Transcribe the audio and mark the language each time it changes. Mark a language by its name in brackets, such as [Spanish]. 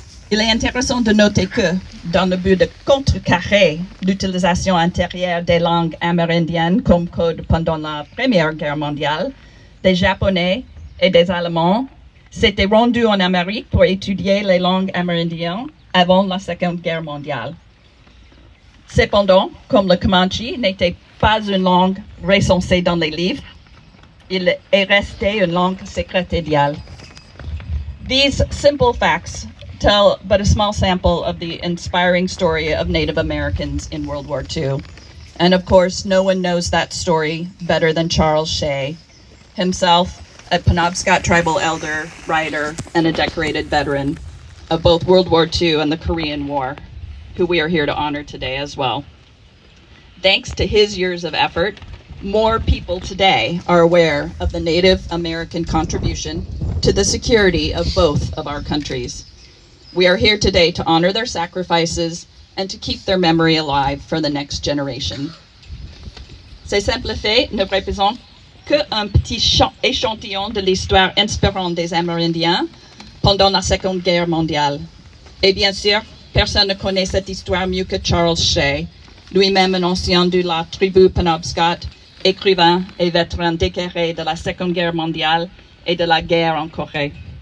[French] Il est intéressant de noter que, dans le but de contrecarrer l'utilisation antérieure des langues amérindiennes comme code pendant la Première Guerre mondiale, des Japonais et des Allemands s'étaient rendus en Amérique pour étudier les langues amérindiennes avant la Seconde Guerre mondiale. Cependant, comme le Comanche n'était pas une langue recensée dans les livres, il est resté une langue secrète idéale. [English] These simple facts tell but a small sample of the inspiring story of Native Americans in World War II. And of course, no one knows that story better than Charles Shay, himself a Penobscot tribal elder, writer, and a decorated veteran of both World War II and the Korean War, who we are here to honor today as well. Thanks to his years of effort, more people today are aware of the Native American contribution to the security of both of our countries. We are here today to honor their sacrifices and to keep their memory alive for the next generation. [French] Ces simples faits ne représentent qu'un petit échantillon de l'histoire inspirante des Amérindiens pendant la Seconde Guerre mondiale. Et bien sûr, personne ne connaît cette histoire mieux que Charles Shay, lui-même un ancien de la tribu Penobscot, écrivain et vétéran déclaré de la Seconde Guerre mondiale et de la guerre en Corée.